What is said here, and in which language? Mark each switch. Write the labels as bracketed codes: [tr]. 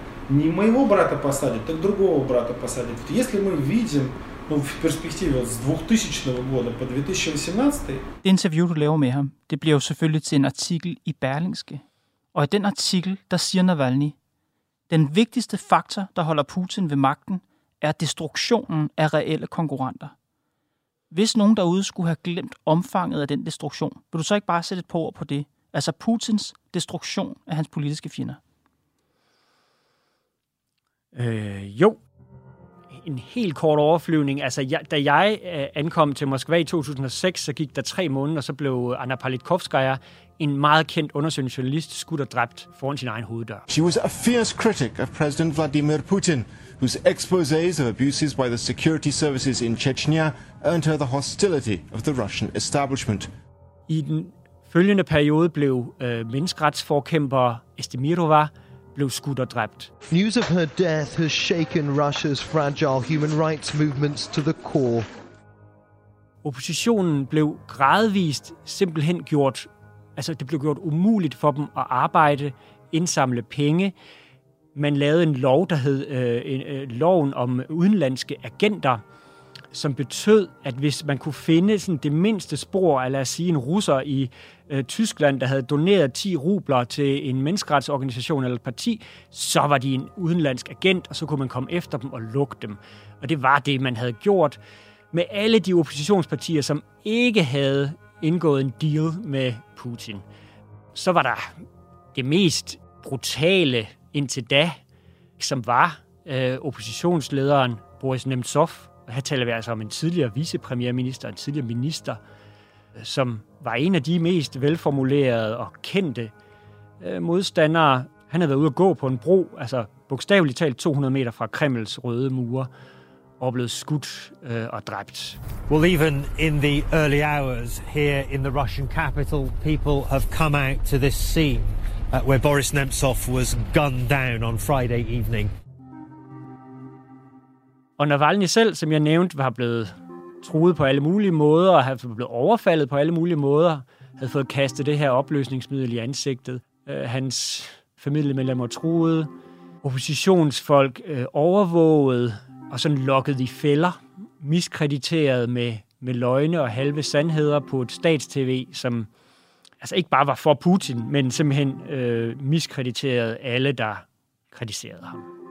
[ru] Не моего брата посадят, так другого брата посадят. Вот если мы видим, ну, в перспективе с 2000 года по 2018. [da] Det interview, du laver med ham, det bliver jo selvfølgelig til en artikel i Berlingske. Og i den artikel, der siger Navalny, den vigtigste faktor, der holder Putin ved magten, er destruktionen af reelle konkurrenter. Hvis nogen derude skulle have glemt omfanget af den destruktion, vil du så ikke bare sætte et par ord på det? Altså Putins destruktion af hans politiske fjender. Jo, en helt kort overflyvning. Altså, da jeg ankom til Moskva i 2006, så gik der 3 måneder, og så blev Anna Politkovskaya, en meget kendt undersøgende journalist, skudt og dræbt foran sin egen hoveddør. [en] She was a fierce critic of President Vladimir Putin, whose exposés of abuses by the security services in Chechnya earned her the hostility of the Russian establishment. [da] I den følgende periode blev menneskeretsforkæmper Estemirova blev skudt og dræbt. [en] News of her death has shaken Russia's fragile human rights movements to the core. [da] Oppositionen blev gradvist simpelthen gjort, altså det blev gjort umuligt for dem at arbejde, indsamle penge. Man lavede en lov, der hed loven om udenlandske agenter, som betød, at hvis man kunne finde sådan det mindste spor, eller lad os sige en russer i Tyskland, der havde doneret 10 rubler til en menneskeretsorganisation eller et parti, så var de en udenlandsk agent, og så kunne man komme efter dem og lukke dem. Og det var det, man havde gjort med alle de oppositionspartier, som ikke havde indgået en deal med Putin. Så var der det mest brutale indtil da, som var oppositionslederen Boris Nemtsov. Og her taler vi altså om en tidligere vicepremierminister, en tidligere minister, som var en af de mest velformulerede og kendte modstandere, Han havde været ude at gå på en bro, altså bogstaveligt talt 200 meter fra Kremls røde mure, og blevet skudt og dræbt. [en] Well, even in the early hours here in the Russian capital, people have come out to this scene where Boris Nemtsov was gunned down on Friday evening. [da] Og Navalny selv, som jeg nævnte, var blevet truet på alle mulige måder, og havde blevet overfaldet på alle mulige måder, havde fået kastet det her opløsningsmiddel i ansigtet. Hans familiemedlemmer truet, oppositionsfolk overvåget og sådan lukket i fælder, miskrediteret med løgne og halve sandheder på et stats-TV, som altså ikke bare var for Putin, men simpelthen miskrediteret alle, der kritiserede ham.